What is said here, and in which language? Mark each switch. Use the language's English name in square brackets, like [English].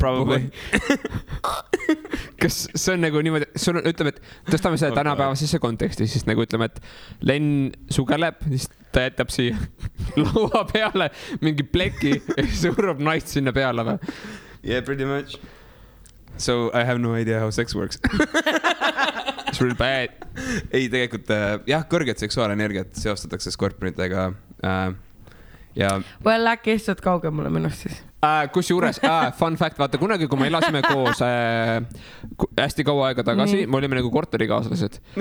[English] Probably . [Estonian] kas see on nagu niimoodi , sul on , ütleme , et tõstame selle tänapäevasesse konteksti , siis nagu ütleme , et Lenn sugeleb , siis ta jätab siia laua peale mingi pleki ja surub naist sinna peale või ? [English] Yeah , pretty much . So I have no idea how sex works . It's really bad . [Estonian] ei , tegelikult jah , kõrget seksuaalenergiat seostatakse skorpionitega . Ja well , äkki istud kaugemale minust siis . Kusjuures fun fact , vaata kunagi , kui me elasime koos hästi kaua aega tagasi , me olime nagu korterikaaslased .